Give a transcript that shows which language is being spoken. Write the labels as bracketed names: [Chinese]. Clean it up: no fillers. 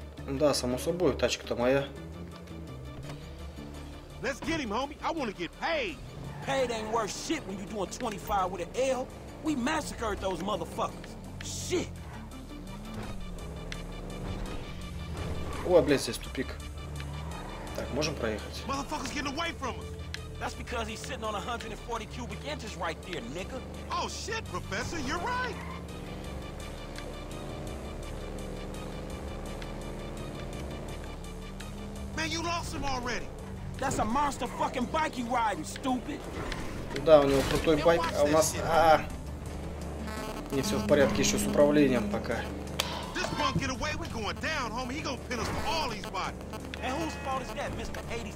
[Russian] Да, само собой, тачка-то моя. [English] Let's get him, homie. I wanna get paid. Paid ain't worth shit when you doing 25 with an L. We massacred those motherfuckers. Shit. [Russian] О, блядь, здесь тупик. Так, можем проехать? [English] Motherfuckers getting away from us. That's because he's sitting on 140 cubic inches right there, nigga. Oh shit, professor, you're right. Man, you lost him already. That's a monster fucking bike you riding, stupid. [Russian] Да, у него крутой байк, а у нас. Не все в порядке еще с управлением пока. [English] This punk get away, we going down, homie. He gonna pin us for all these bodies.